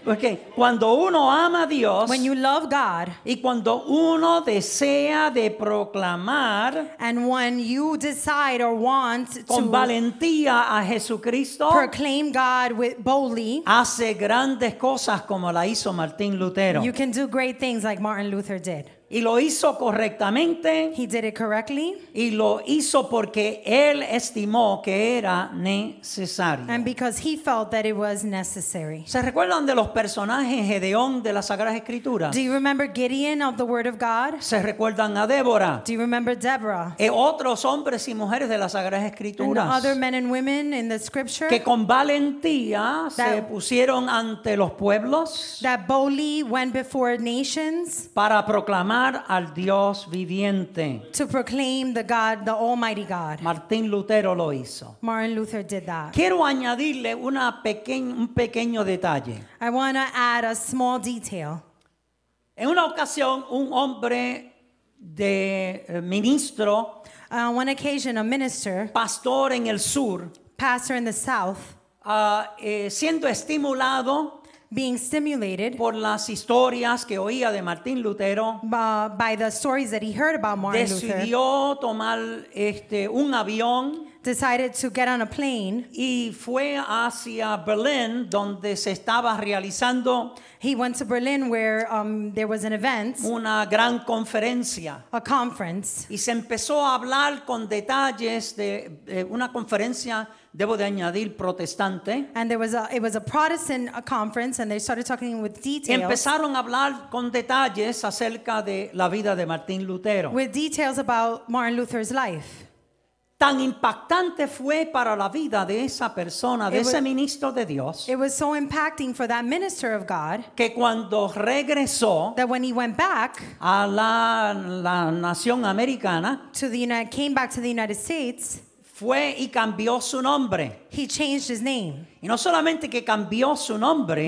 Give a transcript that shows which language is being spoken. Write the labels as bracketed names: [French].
[Spanish] Okay. Cuando uno ama a Dios. [English] When you love God. [Spanish] Y cuando uno desea de proclamar. [English] And when you decide or want to. [Spanish] Con valentía a Jesucristo. [English] Proclaim God with boldly. [Spanish] Hace grandes cosas como la hizo Martín Lutero. [English] You can do great things like Martin Luther did. [Spanish] Y lo hizo correctamente. [English] He did it correctly. [Spanish] Y lo hizo porque él estimó que era necesario. [English] And because he felt that it was necessary. [Spanish] ¿Se recuerdan de los personajes Gedeón de las Sagradas Escrituras? [English] Do you remember Gideon of the Word of God? [Spanish] ¿Se recuerdan a Débora? [English] Do you remember Deborah? [Spanish] Y otros hombres y mujeres de las Sagradas Escrituras. [English] And other men and women in the Scripture. [Spanish] Que con valentía se pusieron ante los pueblos. [English] That boldly went before nations. [Spanish] Para proclamar. Amar al Dios viviente. [English] To proclaim the God, the Almighty God. [Spanish] Martín Lutero lo hizo. [English] Martin Luther did that. [Spanish] Quiero añadirle un pequeño detalle. [English] I want to add a small detail. [Spanish] En una ocasión, un hombre de ministro. [English] On one occasion, a minister. [Spanish] Pastor en el sur. [English] Pastor in the south. [Spanish] Siendo estimulado. [English] Being stimulated [Spanish] por las historias que oía de Martín Lutero, [English] by the stories that he heard about Martin [Spanish] decidió [English] Luther, [Spanish] tomar un avión [English] decided to get on a plane. [Spanish] Y fue hacia Berlín, donde se estaba realizando. [English] He went to Berlin where there was an event. [Spanish] Una gran conferencia. [English] A conference. [Spanish] Y se empezó a hablar con detalles de una conferencia. Debo de añadir protestante. [English] And there was it was a Protestant conference, and they started talking with details. [Spanish] Empezaron a hablar con detalles acerca de la vida de Martín Lutero. [English] With details about Martin Luther's life. [Spanish] Tan impactante fue para la vida de esa persona, de ese ministro de Dios. [English] It was so impacting for that minister of God. [Spanish] Que cuando regresó, [English] that when he went back [Spanish] a la nación americana, [English] came back to the United States. [Spanish] Fue y cambió su nombre. [English] He changed his name. [Spanish] Y no solamente que cambió su nombre,